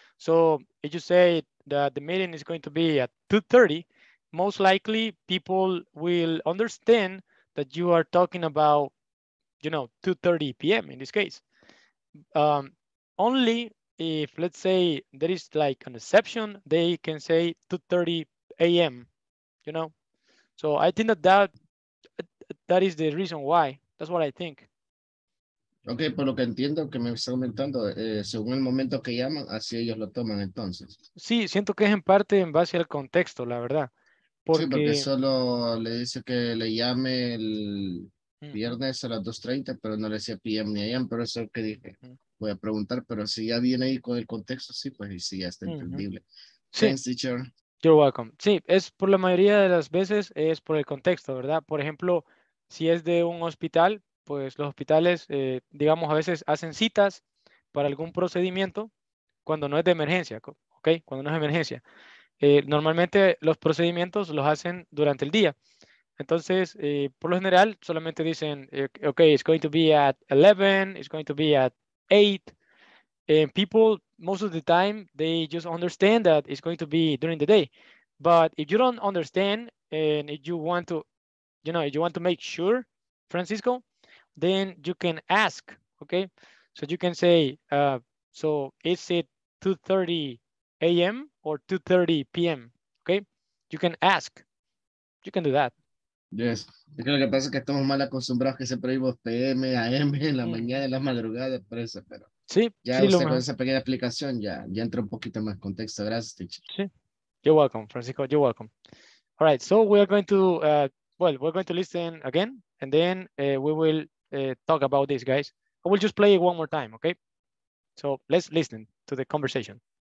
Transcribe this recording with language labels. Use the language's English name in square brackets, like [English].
[English] So if you say that the meeting is going to be at 2:30, most likely people will understand that you are talking about, you know, 2:30 p.m. in this case. Only if, let's say, there is like an exception, they can say 2:30 a.m., you know? So I think that that is the reason why. That's what I think. [Spanish] Okay, por lo que entiendo que me está comentando, según el momento que llaman, así ellos lo toman entonces. Sí, siento que es en parte en base al contexto, la verdad. Porque... Sí, porque solo le dice que le llame el viernes a las 2:30, pero no le decía PM ni AM, pero eso es lo que dije. Voy a preguntar, pero si ya viene ahí con el contexto, sí, pues sí, ya está entendible. Sí. [English] Thanks, teacher. You're welcome. [Spanish] Sí, es por la mayoría de las veces, es por el contexto, ¿verdad? Por ejemplo, si es de un hospital, pues los hospitales, digamos, a veces hacen citas para algún procedimiento cuando no es de emergencia, ¿ok? Cuando no es emergencia. Normalmente los procedimientos los hacen durante el día. Entonces, por lo general, solamente dicen, ok, [English] it's going to be at 11, it's going to be at 8. And people, most of the time, they just understand that it's going to be during the day. But if you don't understand, and if you want to, you know, if you want to make sure, Francisco, then you can ask, okay? So you can say, so is it 2:30 a.m.? Or 2:30 p.m., okay? You can ask. You can do that. Yes. [Spanish] Yo creo que pasa que estamos mal acostumbrados que siempre vivo p.m., a.m., en la mañana, en las madrugadas, por eso, pero... Sí, ya sí, usted con esa pequeña explicación ya entra un poquito más contexto. Gracias, teacher. [English] Sí. You're welcome, Francisco. You're welcome. All right, so we are going to... well, we're going to listen again, and then we will talk about this, guys. I will just play it one more time, okay? So let's listen to the conversation.